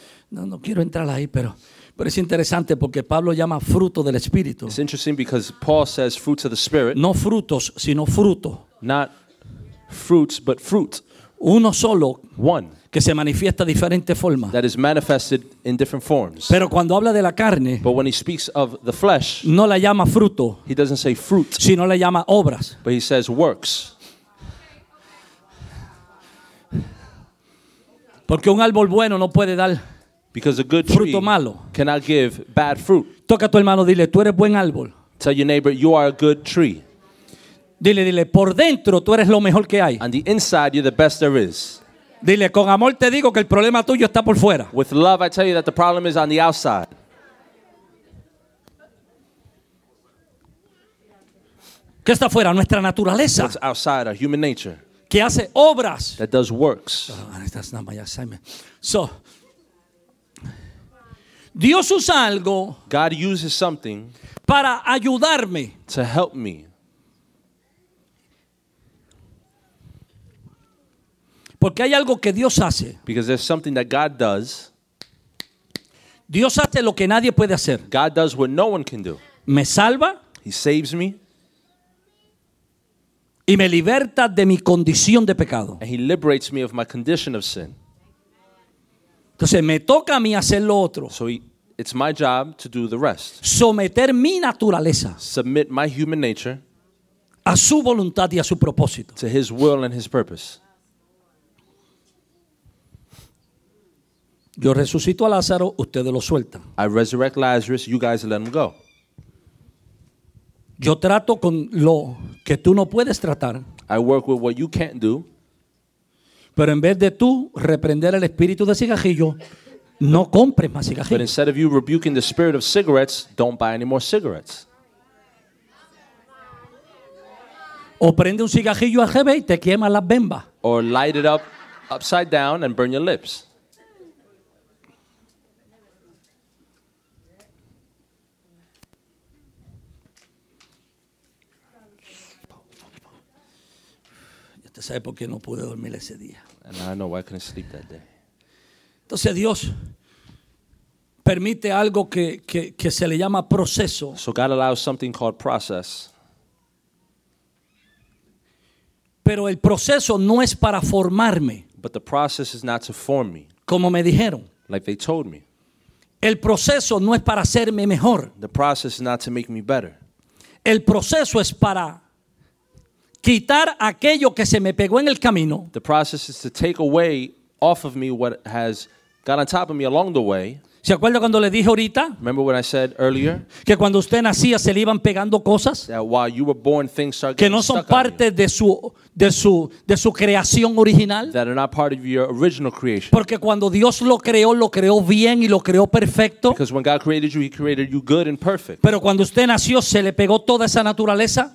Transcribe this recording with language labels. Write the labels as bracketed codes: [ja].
[es] No quiero entrar ahí, pero es interesante porque Pablo llama fruto del Espíritu. [en] It's interesting because Paul says fruits of the Spirit. [es] No frutos, sino fruto. [en] Not fruits, but fruit. [es] Uno solo. [en] One. [es] Que se manifiesta de diferentes formas. [en] That is manifested in different forms. [es] Pero cuando habla de la carne, [en] but when he speaks of the flesh, [es] no la llama fruto, [en] he doesn't say fruit, [es] sino la llama obras. [en] But he says works. [es] Porque un árbol bueno no puede dar [en] because a good tree [es] fruto malo. [en] Cannot give bad fruit. [es] Toca a tu hermano, dile, tú eres buen árbol. [en] Tell your neighbor, you are a good tree. [es] Dile, por dentro tú eres lo mejor que hay. [en] On the inside, you're the best there is. [es] Dile, con amor te digo que el problema tuyo está por fuera. [en] With love, I tell you that the problem is on the outside. [es] ¿Qué está fuera? Nuestra naturaleza. [en] What's outside, our human nature. [es] Que hace obras. [en] That does works. That's not my assignment. [es] So, Dios usa algo. [en] God uses something. [es] Para ayudarme. [en] To help me. [es] Porque hay algo que Dios hace. [en] Because there's something that God does. [es] Dios hace lo que nadie puede hacer. [en] God does what no one can do. [es] Me salva. [en] He saves me. [es] Y me liberta de mi condición de pecado. [en] And he liberates me of my condition of sin. [es] Entonces me toca a mí hacer lo otro. [en] So it's my job to do the rest. [es] Someter mi naturaleza. [en] Submit my human nature. [es] A su voluntad y a su propósito. [en] To his will and his purpose. [es] Yo resucito a Lázaro, ustedes lo sueltan. [en] I resurrect Lazarus, you guys let him go. [es] Yo trato con lo que tú no puedes tratar. [en] I work with what you can't do. [es] Pero en vez de tú reprender el espíritu de cigarrillo, no compres más cigarrillos. [en] But instead of you rebuking the spirit of cigarettes, don't buy any more cigarettes. [es] O prende un cigarrillo al revés y te quema las bembas. [en] Or light it up upside down and burn your lips. [es] ¿Sabe por qué no pude dormir ese día? [en] And I know why I couldn't sleep that day. [es] Entonces Dios permite algo que se le llama proceso. [en] So God allows something called process. [es] Pero el proceso no es para formarme. [en] But the process is not to form me. [es] Como me dijeron. [en] Like they told me. [es] El proceso no es para hacerme mejor. [en] The process is not to make me better. [es] El proceso es para quitar aquello que se me pegó en el camino. [en] The process is to take away off of me what has got on top of me along the way. [es] ¿Se acuerda cuando le dije ahorita? [en] Remember when I said earlier? [es] Que cuando usted nacía se le iban pegando cosas. [en] That while you were born, things started getting stuck on you. [es] Que no son parte de su creación original. [en] That are not part of your original creation. [es] Porque cuando Dios lo creó bien y lo creó perfecto. [en] Because when God created you, he created you good and perfect. [es] Pero cuando usted nació se le pegó toda esa naturaleza.